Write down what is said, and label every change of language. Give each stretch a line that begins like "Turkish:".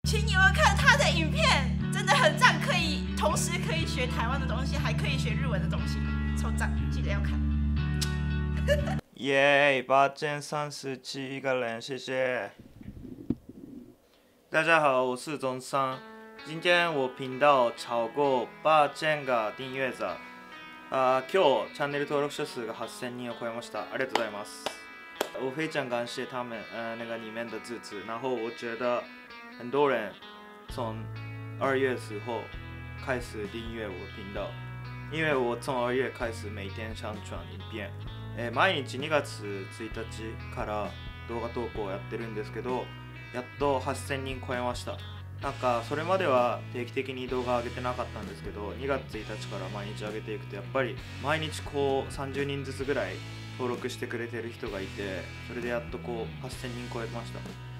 Chinese: 请你们看他的影片，真的很赞，可以同时可以学台湾的东西，还可以学日文的东西，超赞，记得要看。耶，八千三十七个人，谢谢。大家好，我是中山，今天我频道超过八千个订阅者。
Japanese: 今日チャンネル登録者数が8000人を超えました。ありがとうございます。
Chinese: 我非常感谢他们那个里面的支持。然后我觉得很多人从二月时候开始订阅我频道，因为我从二月开始每天上传一遍。
Japanese: 毎日2月1日から動画投稿をやってるんですけど、やっと8000人超えました。なんかそれまでは定期的に動画上げてなかったんですけど、2月1日から毎日上げていくと、やっぱり毎日こう30人ずつぐらい登録してくれてる人がいて、それでやっとこう8000人超えました。